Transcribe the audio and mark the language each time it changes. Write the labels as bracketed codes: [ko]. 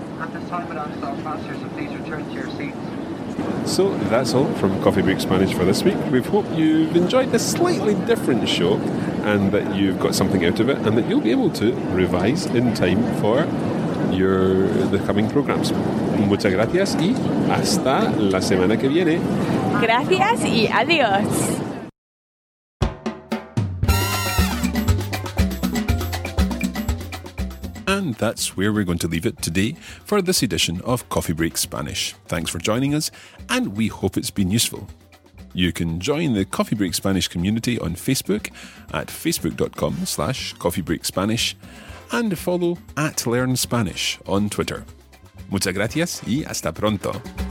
[en] At this time, announced all passengers, please return to your seats. So that's all from Coffee Break Spanish for this week. We hope you've enjoyed this slightly different show and that you've got something out of it and that you'll be able to revise in time for the coming programs. [es] Muchas gracias y hasta la semana que viene. Gracias y adiós. [en] And that's where we're going to leave it today for this edition of Coffee Break Spanish. Thanks for joining us, and we hope it's been useful. You can join the Coffee Break Spanish community on Facebook at facebook.com/coffeebreakspanish and follow at Learn Spanish on Twitter. [es] Muchas gracias y hasta pronto.